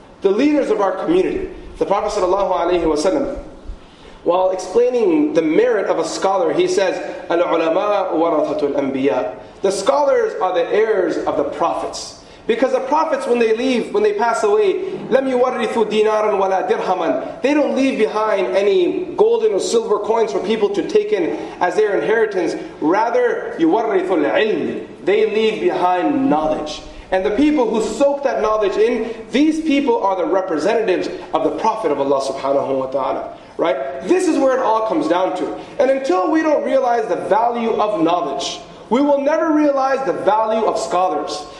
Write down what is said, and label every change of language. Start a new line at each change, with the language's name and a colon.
English: The leaders of our community, the Prophet sallallahu alaihi wasallam, while explaining the merit of a scholar, he says,
Arabic: "Al-ulama warathatul anbiya."
English: The scholars are the heirs of the prophets. Because the prophets, when they leave, when they pass away,
Arabic: لَمْ يُوَرِّثُوا دِينَارًا وَلَا دِرْهَمًا.
English: They don't leave behind any golden or silver coins for people to take in as their inheritance. Rather,
Arabic: يُوَرِّثُوا الْعِلْمِ.
English: They leave behind knowledge. And the people who soak that knowledge in, these people are the representatives of the Prophet of Allah subhanahu wa ta'ala. Right? This is where it all comes down to. And until we don't realize the value of knowledge, we will never realize the value of scholars.